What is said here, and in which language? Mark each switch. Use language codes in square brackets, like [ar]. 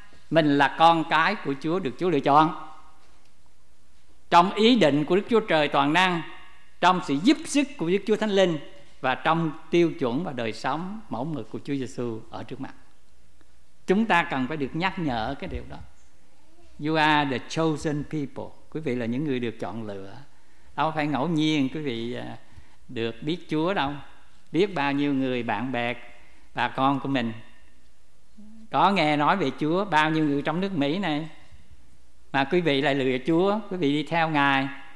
[vi] Mình là con cái của Chúa, được Chúa lựa chọn. Trong ý định của Đức Chúa Trời toàn năng, trong sự giúp sức của Đức Chúa Thánh Linh, và trong tiêu chuẩn và đời sống mẫu mực của Chúa Giê-xu ở trước mặt. Chúng ta cần phải được nhắc nhở cái điều đó. [en] You are the chosen people. [vi] Quý vị là những người được chọn lựa, đâu phải ngẫu nhiên quý vị được biết Chúa đâu. Biết bao nhiêu người bạn bè, bà con của mình có nghe nói về Chúa, bao nhiêu người trong nước Mỹ này mà quý vị lại lựa Chúa, quý vị đi theo Ngài.